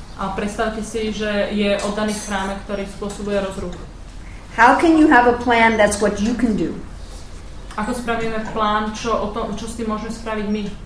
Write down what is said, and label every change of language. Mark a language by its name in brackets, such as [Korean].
[Slovak] A predstavte si, že je oddaný v chráme, ktorý spôsobuje rozruch. [English] How can you have a plan that's what you can do? [Slovak] Ako spravíme plán, čo s tým môžeme spraviť my?